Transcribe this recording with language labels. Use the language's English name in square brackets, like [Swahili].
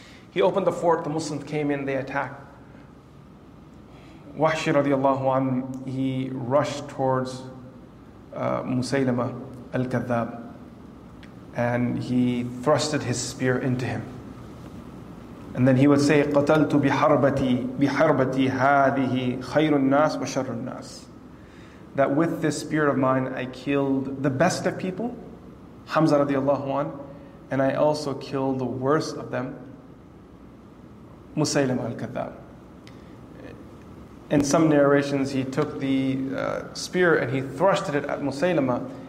[English] He opened the fort, the Muslims came in, they attacked. Wahshi radiallahu anhu, he rushed towards Musaylama al-Kadhab and he thrusted his spear into him. [Arabic] And then he would say, قَتَلْتُ بِحَرْبَتِي هَذِهِ خَيْرُ النَّاسِ وَشَرُّ النَّاسِ. [English] That with this spear of mine, I killed the best of people, Hamza radiallahu anhu, and I also killed the worst of them, Musaylama al-Kadhab. In some narrations, he took the spear and he thrusted it at Musaylimah.